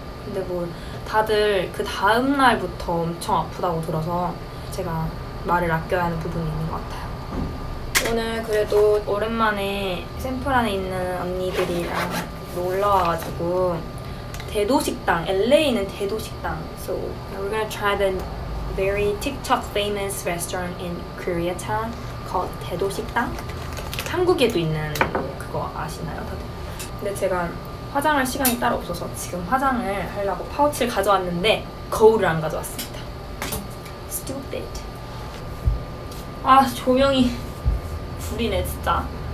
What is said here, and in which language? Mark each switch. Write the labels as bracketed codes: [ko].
[ko] 근데 뭐 다들 그 다음 날부터 엄청 아프다고 들어서 제가 말을 아껴야 하는 부분이 있는 것 같아요. 오늘 그래도 오랜만에 샘플 안에 있는 언니들이랑 놀러 와가지고 대도식당, LA는 대도식당. [en] So we're gonna try the very TikTok famous restaurant in Koreatown called 대도식당. [ko] 한국에도 있는 그거 아시나요, 다들? 근데 제가 화장할 시간이 따로 없어서 지금 화장을 하려고 파우치를 가져왔는데 거울을 안 가져왔습니다. [en] Stupid. [ko] 아, 조명이 불이네, 진짜.